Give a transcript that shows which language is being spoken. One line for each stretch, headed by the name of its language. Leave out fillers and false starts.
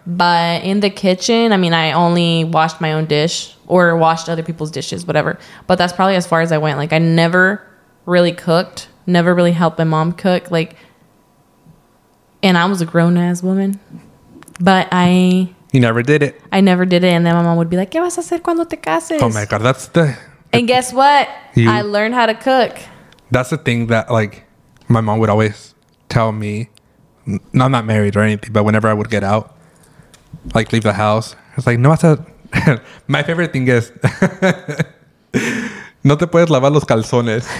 English: but in the kitchen, I mean, I only washed my own dish or washed other people's dishes, whatever, but that's probably as far as I went. Like, I never really cooked, never really helped my mom cook, like, and I was a grown-ass woman, but I never did it. And then my mom would be like,
Spanish: ¿qué vas a hacer cuando te cases?
English: Oh my god, that's the and guess what, I learned how to cook. That's the thing that like my mom would always tell me, I'm not married or anything, but whenever I would get out, like leave the house, it's like,
Spanish: no, vas a,
English: my favorite thing is,
Spanish: no te puedes lavar los calzones.